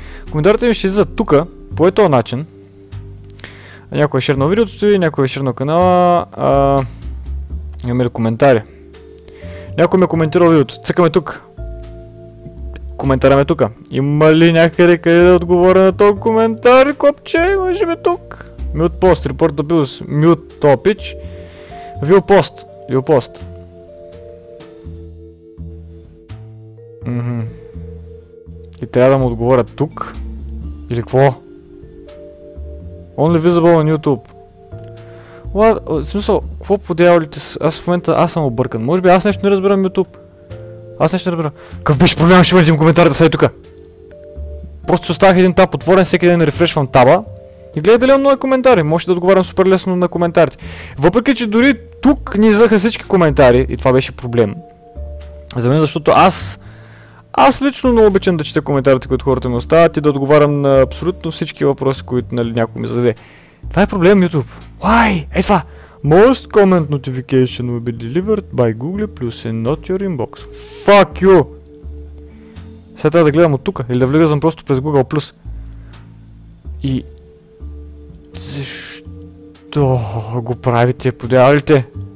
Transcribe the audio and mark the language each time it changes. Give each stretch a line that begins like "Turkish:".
Bulgarian: Коментарите ми ще излизат тука по този начин. Някой е шернал видеото ти, някой е шернал канала, имаме ли коментари? Някой ми е коментирал видеото, цъкаме тук. Коментараме тука. Има ли някъде къде да отговоря на този коментар, копче? Може ми тук.
English: Mute post, report abuse, mute topic.
Bulgarian: Вилпост, вилпост. И трябва да му отговоря тук? Или какво?
English: Only visible on YouTube. What?
Bulgarian: В смисъл, какво подявалите с... Аз в момента, аз съм объркан. Може би аз нещо не разбирам YouTube. Аз нещо не разбирам. Какъв беше проблем, ще бъдем коментарите сега тука. Просто си оставях един таб отворен, всеки ден рефрешвам таба. И гледай дали имам нови коментари, може да отговарям супер лесно на коментарите. Въпреки, че дори тук ни излизаха всички коментари и това беше проблем. За мен, защото аз лично много обичам да чета коментарите, които хората ми оставят и да отговарям на абсолютно всички въпроси, които нали някой ми зададе. Това е проблем, YouTube.
English: Why?
Bulgarian: Е това!
English: Most comment notification will be delivered by Google Plus and not your inbox. Fuck you!
Bulgarian: Сега трябва да гледам от тук или да влизам просто през Google Plus. И... Защо го правите, подявалите?